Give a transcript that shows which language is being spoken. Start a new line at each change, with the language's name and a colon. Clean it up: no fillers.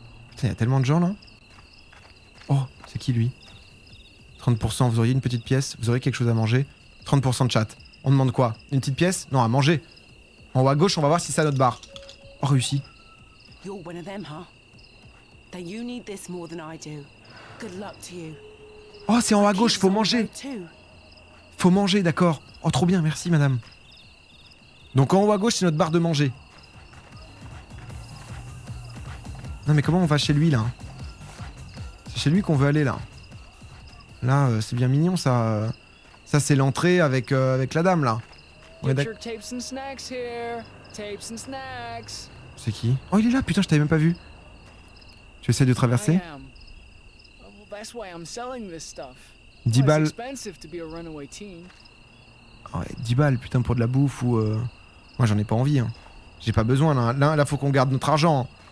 French: Putain, y'a tellement de gens là. Oh, c'est qui lui? 30%, vous auriez une petite pièce? Vous auriez quelque chose à manger? 30% de chat. On demande quoi? Une petite pièce? Non, à manger. En haut à gauche, on va voir si c'est à notre bar. Oh, réussi.
English: You're one of them, huh? That you need this more than I do. Good luck to you.
French: Oh, c'est en haut à gauche, faut manger. Faut manger, d'accord. Oh, trop bien, merci madame. Donc en haut à gauche, c'est notre bar de manger. Non mais comment on va chez lui là? C'est chez lui qu'on veut aller là. Là c'est bien mignon ça. Ça c'est l'entrée avec, avec la dame là.
English: Ouais, tapes and snacks here. Tapes and snacks.
French: C'est qui? Oh il est là, putain, je t'avais même pas vu. Tu essaies de traverser ? Dix balles. Ouais, 10 balles, putain, pour de la bouffe ou... Moi, j'en ai pas envie, hein. J'ai pas besoin, là. Là, faut qu'on garde notre argent.